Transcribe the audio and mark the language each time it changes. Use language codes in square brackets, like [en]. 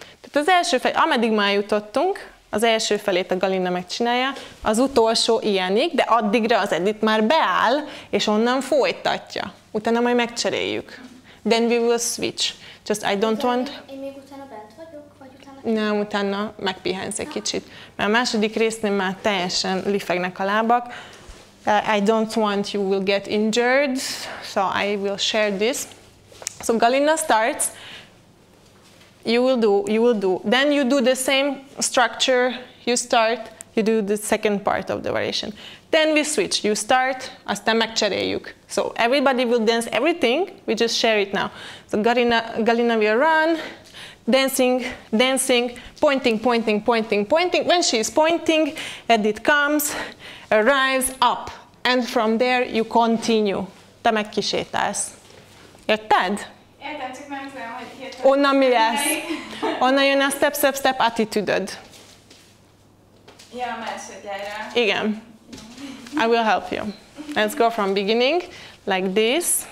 [hu] Tehát az első felé, ameddig már jutottunk, az első felét a Galina megcsinálja, az utolsó ilyenig, de addigra az Edit már beáll, és onnan folytatja. Utána majd megcseréljük. [en] Then we will switch. Just I don't want... [hu] Én még utána bent vagyok, vagy utána... Nem, utána megpihensz egy kicsit. Mert a második résznél már teljesen lifegnek a lábak. [en] I don't want you will get injured, so I will share this. So Galina starts, you will do. Then you do the same structure, you start, you do the second part of the variation. Then we switch, you start, [hu] aztán megcseréljük. [en] So everybody will dance everything, we just share it now. So Galina will run, dancing, pointing. When she is pointing, Edit comes, arrives up. And from there you continue. [hu] Te megkisétálsz. Érted? Érted, csak nem tudom, hogy hirtelen. Onnan mi lesz? Onnan jön a step, step, step attitude-öd. Ja, a másodjára. [en] Igen. I will help you. Let's go from beginning, like this.